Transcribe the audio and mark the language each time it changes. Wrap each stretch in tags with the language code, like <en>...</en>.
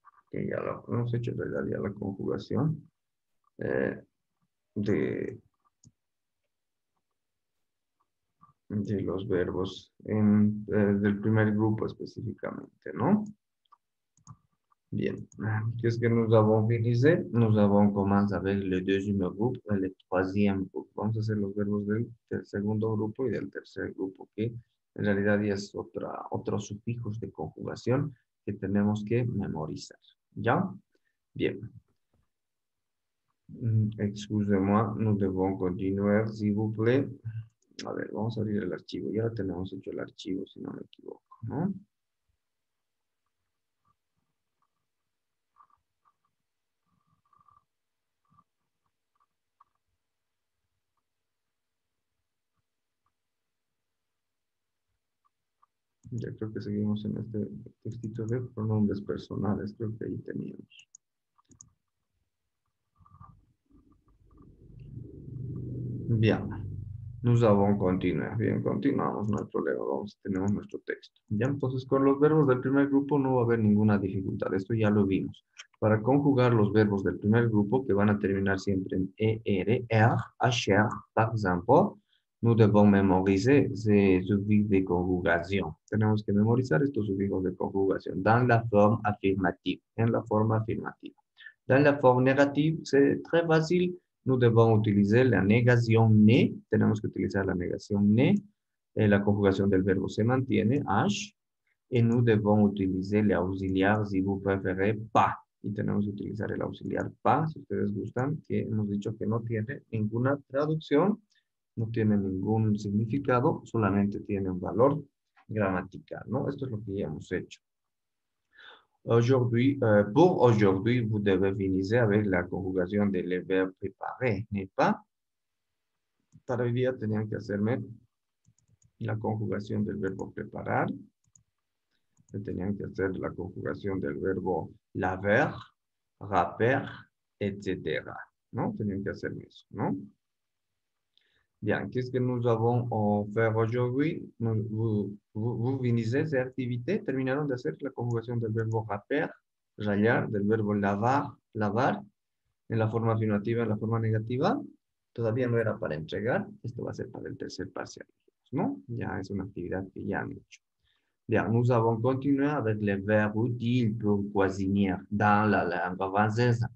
<es>Que ya lo hemos hecho en realidad, ya la conjugación de los verbos del primer grupo específicamente, ¿no? Bien. ¿Qué es que</es> <fr>nous avons finissé? Nous avons commencé avec le deuxième groupe, le troisième groupe.</fr> <es>Vamos a hacer los verbos del segundo grupo y del tercer grupo, que en realidad ya es otros sufijos de conjugación que tenemos que memorizar. ¿Ya? Bien.</es> <fr>Excusez-moi, nous devons continuer, s'il vous plaît.</fr> <es>A ver, vamos a abrir el archivo. Ya lo tenemos hecho el archivo, si no me equivoco, ¿no? Ya creo que seguimos en este textito de pronombres personales, creo que ahí teníamos. Bien, nos vamos a continuar. Bien, continuamos, no hay problema, vamos, tenemos nuestro texto. Ya, entonces, con los verbos del primer grupo no va a haber ninguna dificultad, esto ya lo vimos. Para conjugar los verbos del primer grupo, que van a terminar siempre en ER, er, acher,</es> <fr>par exemple, nous devons memoriser ces sujets</fr> <es>de conjugación. Tenemos que memorizar estos sujets de conjugación.</es> <fr>Dans la forme affirmative.</fr> <es>En la forma afirmativa.</es> <fr>Dans la forme négative, c'est très facile. Nous devons utiliser la négation ne.</fr> <es>Tenemos que utilizar la négation ne. La conjugación del verbo se mantiene. H.</es> <fr>Et nous devons utiliser l'auxiliaire, si vous préférez, pas.</fr> <es>Y tenemos que utilizar el auxiliar pas, si ustedes gustan, que hemos dicho que no tiene ninguna traducción. No tiene ningún significado, solamente tiene un valor gramatical, ¿no? Esto es lo que ya hemos hecho.</es> <fr>Aujourd'hui, pour aujourd'hui, vous devez finir avec la conjugación de le verbe préparer, n'est-ce pas?</fr> <es>Para hoy día tenían que hacerme la conjugación del verbo preparar. Tenían que hacer la conjugación del verbo laver, raper, etc. ¿No? Tenían que hacerme eso, ¿no?</es> <fr>Bien, qu'est-ce que nous avons offert aujourd'hui? Vous venez de cette activité,</fr> <es>terminaron de hacer la conjugación del verbo raper, rayar, del verbo lavar, lavar, en la forma afirmativa, en la forma negativa. Todavía no era para entregar, esto va a ser para el tercer parcial, ¿no? Ya es una actividad que ya han hecho.</es> <fr>Bien, nous avons continué avec le verbe utile pour cuisiner dans la langue française.</fr>